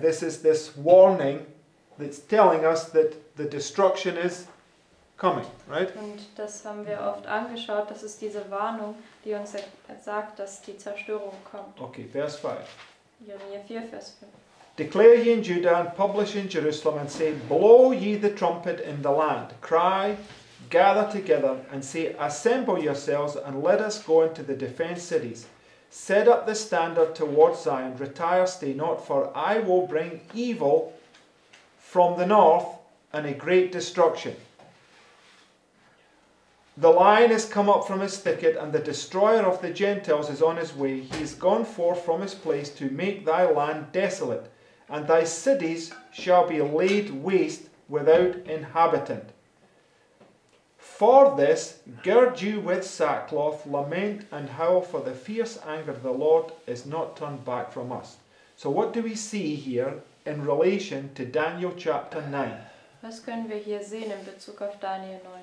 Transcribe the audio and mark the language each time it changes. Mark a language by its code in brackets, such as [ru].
[en] This is this warning that's telling us that the destruction is coming, right? [de] Und das haben wir oft angeschaut. Das ist diese Warnung, die uns sagt, dass die Zerstörung kommt. Okay, Vers 5. Jeremia 4, Vers 5. [en] Declare ye in Judah and publish in Jerusalem and say, blow ye the trumpet in the land. Cry, gather together and say, assemble yourselves and let us go into the defense cities. Set up the standard towards Zion, retire, stay not, for I will bring evil from the north and a great destruction. The lion has come up from his thicket, and the destroyer of the Gentiles is on his way. He has gone forth from his place to make thy land desolate, and thy cities shall be laid waste without inhabitant. For this, gird you with sackcloth, lament and howl, for the fierce anger of the Lord is not turned back from us. So what do we see here in relation to Daniel chapter 9? [de] Was können wir hier sehen in Bezug auf Daniel 9?